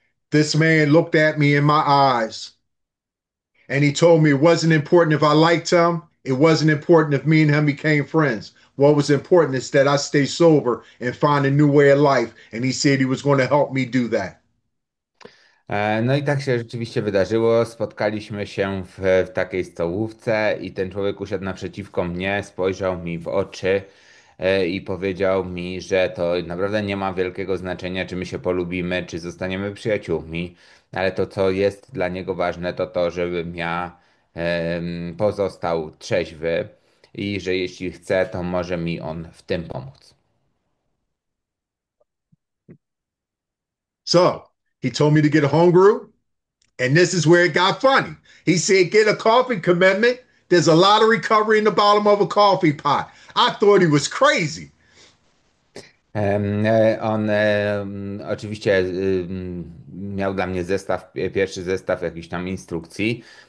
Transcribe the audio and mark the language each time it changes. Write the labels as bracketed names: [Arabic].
[English] This man looked at me in my eyes, and he told me it wasn't important if I liked him. It wasn't important if me and him became friends. What was important is that I stay sober and find a new way of life. And he said he was going to help me do that. [Polish] No i tak się rzeczywiście wydarzyło. Spotkaliśmy się w takiej stołówce i ten człowiek usiadł naprzeciwko mnie, spojrzał mi w oczy i powiedział mi, że to naprawdę nie ma wielkiego znaczenia, czy my się polubimy, czy zostaniemy przyjaciółmi, ale to, co jest dla niego ważne, to to, żebym ja pozostał trzeźwy i że jeśli chce, to może mi on w tym pomóc. [English] So he told me to get a homebrew, and this is where it got funny. He said, "Get a coffee commitment. There's a lot of recovery in the bottom of a coffee pot." I thought he was crazy. [Polish] On oczywiście miał dla mnie pierwszy zestaw jakichś tam instrukcji.